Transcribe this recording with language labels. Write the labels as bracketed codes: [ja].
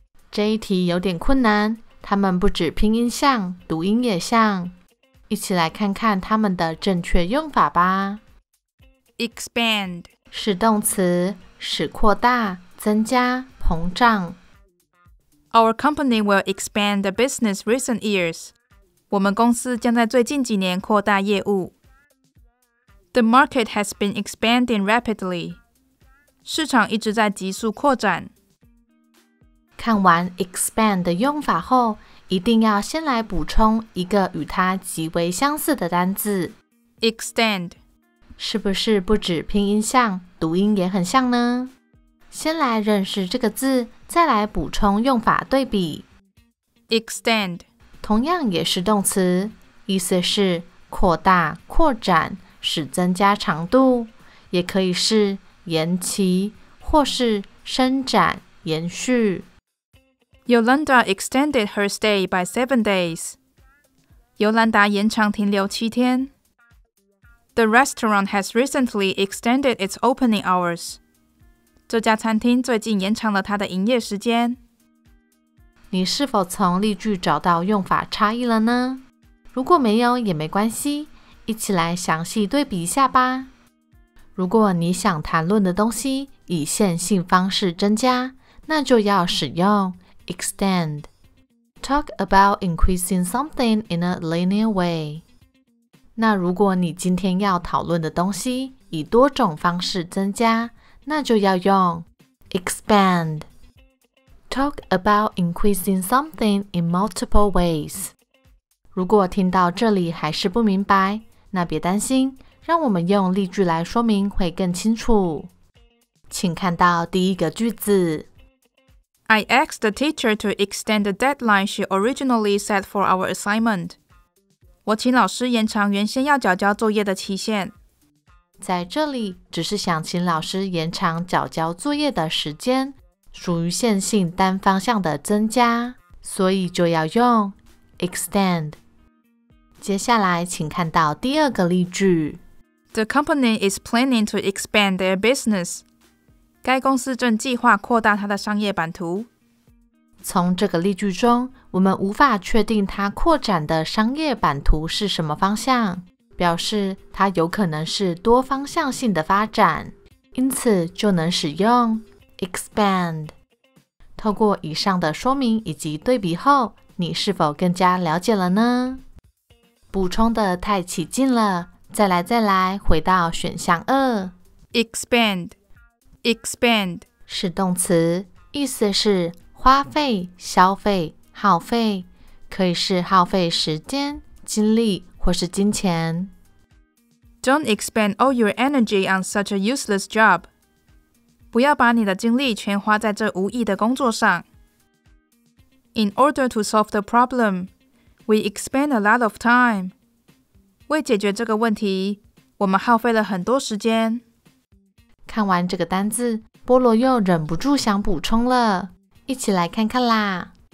[zh] 这一题有点困难它们不止拼音像读音也像一起来看看它们的正确用法吧 [en] Expand [zh] 是动词使扩大、增加、膨胀。 [en] Our company will expand the business recent years. [zh] 我们公司将在最近几年扩大业务。 [en] The market has been expanding rapidly. [zh] 市场一直在急速扩展。看完 expand 的用法后，一定要先来补充一个与它极为相似的单字。 [en] Extend [zh] 是不是不止拼音像？读音也很像呢。先来认识这个字，再来补充用法对比。 [en] Extend [zh] 同样也是动词，意思是扩大、扩展，使增加长度，也可以是延期或是伸展、延续。 [en] Yolanda extended her stay by 7 days. [zh] 尤兰达延长停留7天。 [en] The restaurant has recently extended its opening hours. [zh] 这家餐厅最近延长了它的营业时间。你是否从例句找到用法差异了呢？如果没有也没关系，一起来详细对比一下吧。如果你想谈论的东西以线性方式增加，那就要使用 extend. [en] Talk about increasing something in a linear way. [zh] 那如果你今天要讨论的东西以多种方式增加，那就要用 expand. [en] Talk about increasing something in multiple ways. [zh] 如果听到这里还是不明白，那别担心，让我们用例句来说明会更清楚。请看到第一个句子。 [en] I asked the teacher to extend the deadline she originally set for our assignment. [zh] 我请老师延长原先要缴交作业的期限。在这里，只是想请老师延长缴交作业的时间，属于线性单方向的增加，所以就要用 extend。接下来，请看到第二个例句。 [en] The company is planning to expand their business. [zh] 该公司正计划扩大它的商业版图。从这个例句中，我们无法确定它扩展的商业版图是什么方向，表示它有可能是多方向性的发展，因此就能使用 expand。透过以上的说明以及对比后，你是否更加了解了呢？补充的太起劲了，再来再来，回到选项二 [en] ，expand [zh] 是动词，意思是。花费、消费、耗费，可以是耗费时间、精力或是金钱。 [en] Don't expend all your energy on such a useless job. [zh] 不要把你的精力全花在这无意的工作上。 [en] In order to solve the problem, we expend a lot of time. [zh] 为解决这个问题，我们耗费了很多时间。看完这个单字，菠萝又忍不住想补充了。一起来看看啦。